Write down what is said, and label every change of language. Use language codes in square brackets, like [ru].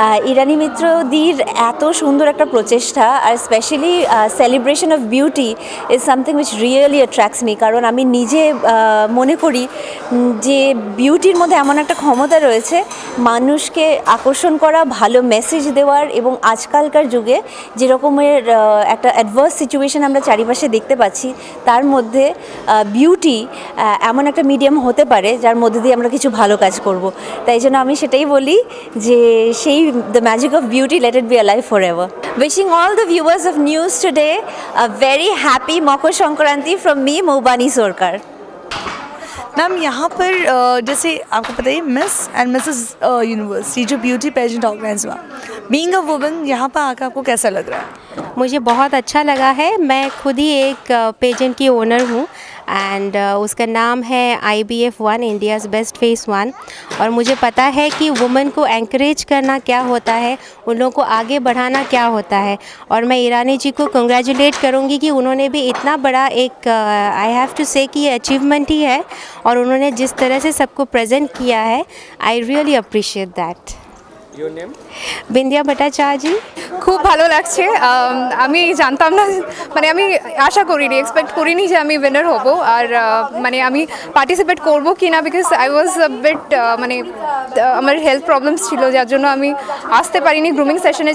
[bn] ইরানি মিত্রদির এত সুন্দর একটা প্রচেষ্টা, আর specially [en] celebration of beauty is something which really attracts me, [bn] কারণ আমি নিজে মনে করি যে বিউটির মধ্যে এমন একটা ক্ষমতা রয়েছে মানুষকে আকর্ষণ করা, ভালো মেসেজ দেওয়ার, এবং আজকালকার যুগে যেরকমের একটা [en] adverse situation [bn] আমরা চারিপাশে দেখতে পাচ্ছি তার মধ্যে বিউটি এমন একটা মিডিয়াম হতে পারে যার মধ্যে দিয়ে আমরা কিছু ভালো কাজ করব। তাই জন্য আমি সেটাই বলি যে সেই [en] The magic of beauty, let it be alive for ever. Wishing all the viewers of news today a very happy Makar Sankranti from me Moubani Sor. [hi] Ma'am यहाँ पर जैसे आपको पता है मिस एंड मिसेस यूनिवर्स, ये जो ब्यूटी पेजेंट ऑर्गेनाइज हुआ, [en] being a woman [hi] यहाँ पर आकर आपको कैसा लग रहा है? मुझे बहुत अच्छा लगा है। मैं खुद ही एक पेजेंट की ओनर हूँ एंड उसका नाम है IBF 1, इंडियाज बेस्ट फेस 1। और मुझे पता है कि वुमेन को एंकरेज करना क्या होता है, उन लोगों को आगे बढ़ाना क्या होता है। और मैं ईरानी जी को कंग्रेचुलेट करूँगी कि उन्होंने भी इतना बड़ा एक [en] I have to say [hi] कि अचीवमेंट ही है, और उन्होंने जिस तरह से सबको प्रेजेंट किया है, [en] I really appreciate that. [bn] Bindiya ভট্টাচার্যজি, খুব ভালো লাগছে। আমি জানতাম না, মানে আমি আশা করিনি, এক্সপেক্ট করিনি যে আমি উইনার হব, আর মানে আমি পার্টিসিপেট করব কি না, [en] because I was a bit [bn] মানে আমার হেলথ প্রবলেমস ছিল যার জন্য আমি আসতে পারিনি গ্রুমিং সেশনে।